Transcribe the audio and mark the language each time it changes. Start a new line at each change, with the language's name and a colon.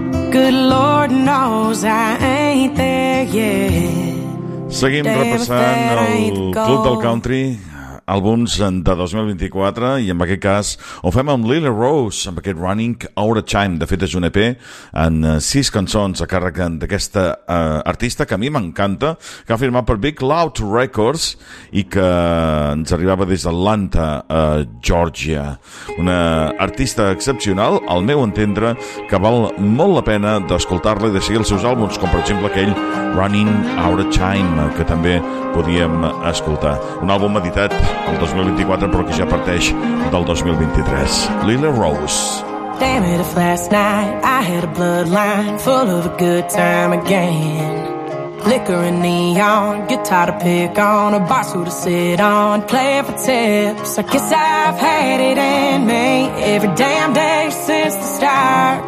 English: Good Lord knows I ain't there yet,
Catalan: Seguim repassant el Club del Country, àlbums de 2024, i en aquest cas ho fem amb Lily Rose, amb aquest Running Out of Time. De fet, és un EP en 6 cançons a càrrec d'aquesta artista que a mi m'encanta, que ha firmat per Big Loud Records i que ens arribava des d'Atlanta a Georgia. Una artista excepcional, al meu entendre, que val molt la pena d'escoltar-la i de seguir els seus àlbums, com per exemple aquell Running Out of Time, que també podíem escoltar. Un àlbum editat el 2024, però que ja parteix del 2023. Lily Rose.
English: Damn it, if last night I had a bloodline full of a good time again. Liquor and neon, guitar to pick on, a bar stool to sit on, play for tips. I guess I've had it in me every damn day since the start.